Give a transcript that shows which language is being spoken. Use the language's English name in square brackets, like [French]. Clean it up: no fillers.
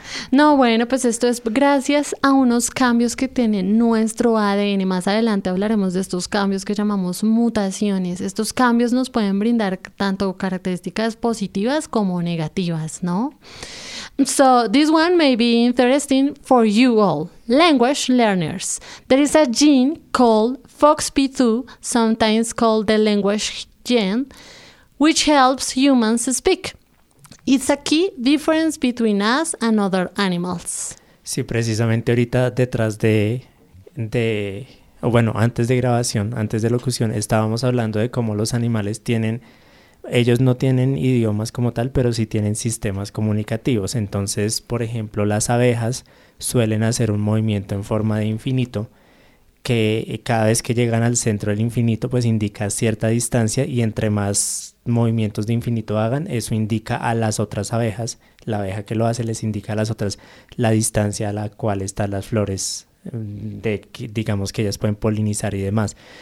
[Spanish] No, bueno, pues esto es gracias a unos cambios que tiene nuestro ADN. Más adelante hablaremos de estos cambios que llamamos mutaciones. Estos cambios nos pueden brindar tanto características positivas como negativas, ¿no? [English] So, this one may be interesting for you all, language learners. There is a gene called FOXP2, sometimes called the language gene, which helps humans speak. It's a key difference between us and other animals. [Spanish] Sí, precisamente ahorita detrás de, antes de grabación, antes de locución, estábamos hablando de cómo los animales tienen... Ellos no tienen idiomas como tal, pero sí tienen sistemas comunicativos. Entonces, por ejemplo, las abejas suelen hacer un movimiento en forma de infinito que cada vez que llegan al centro del infinito, pues indica cierta distancia, y entre más movimientos de infinito hagan, eso indica a las otras abejas, la abeja que lo hace les indica a las otras la distancia a la cual están las flores, digamos que ellas pueden polinizar y demás.